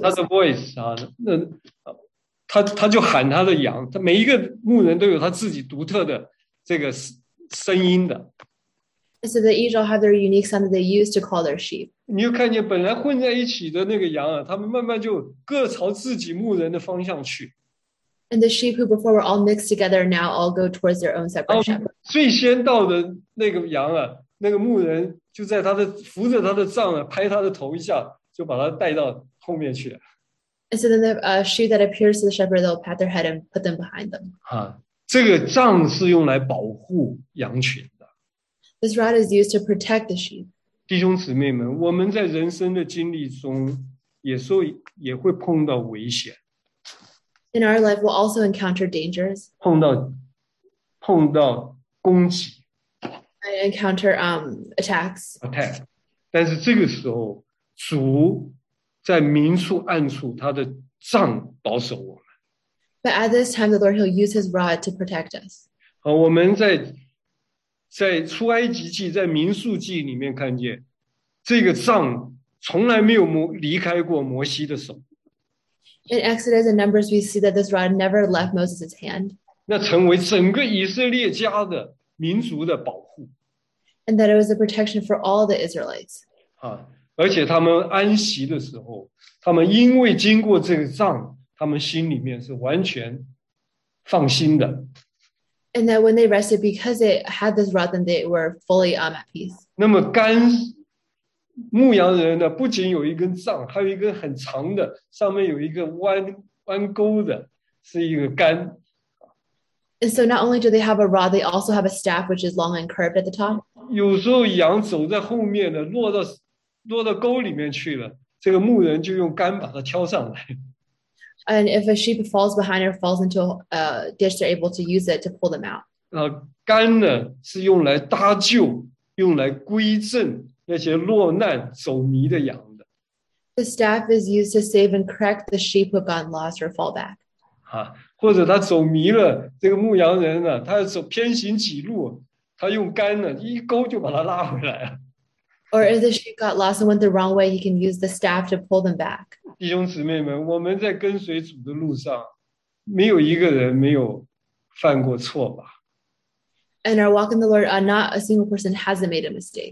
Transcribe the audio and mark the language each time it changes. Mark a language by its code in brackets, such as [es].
[zh] 他的 voice 啊，那。他就喊他的羊，他每一个牧人都有他自己独特的这个声音的。 [en] So the angels have their unique sound that they use to call their sheep. [zh] 你又看见本来混在一起的那个羊啊，他们慢慢就各朝自己牧人的方向去。 [en] And the sheep who before were all mixed together now all go towards their own separate shepherd. [zh] 最先到的那个羊啊，那个牧人就在他的扶着他的杖啊，拍他的头一下，就把他带到后面去。 [en] And so then the sheep that appears to the shepherd, they'll pat their head and put them behind them. [zh] 啊，这个杖是用来保护羊群的。 [en] This rod is used to protect the sheep. [zh] 弟兄姊妹们，我们在人生的经历中，有时候也会碰到危险。 [en] In our life, we'll also encounter dangers. [zh] 碰到攻击。 [en] I encounter attacks. [zh] Attack. 但是这个时候，主。在明处暗处，他的杖保守我们。 [en] But at this time, the Lord He'll use His rod to protect us. [zh] 我们在出埃及记、在民数记里面看见，这个杖从来没有离开过摩西的手。 [en] In Exodus and Numbers, we see that this rod never left Moses' hand. [zh] 那成为整个以色列家的民族的保护。 [en] And that it was a protection for all the Israelites. [zh] 啊。而且他们安息的时候，他们因为经过这个杖，他们心里面是完全放心的。 [en] And that when they rested because they had this rod, then they were fully at peace. [zh] 那么干牧羊人呢，不仅有一根杖，还有一根很长的，上面有一个弯钩的，是一个杆。 [en] And so not only do they have a rod, they also have a staff which is long and curved at the top. [zh] 有时候羊走在后面呢，落到沟里面去了，这个牧人就用杆把它挑上来。 [en] And if a sheep falls behind or falls into a ditch, they're able to use it to pull them out. [zh] 杆呢是用来搭救，用来归正那些落难走迷的羊的。 [en] The staff is used to save and correct the sheep who have gotten lost or fall back. [zh] 或者他走迷了，这个牧羊人呢，他走偏行几路，他用杆呢一勾就把他拉回来了。 [en] Or if the sheep got lost and went the wrong way, he can use the staff to pull them back. [zh] 弟兄姊妹们，我们在跟随主的路上，没有一个人没有犯过错吧。 [en] And our walk in the Lord, not a single person hasn't made a mistake.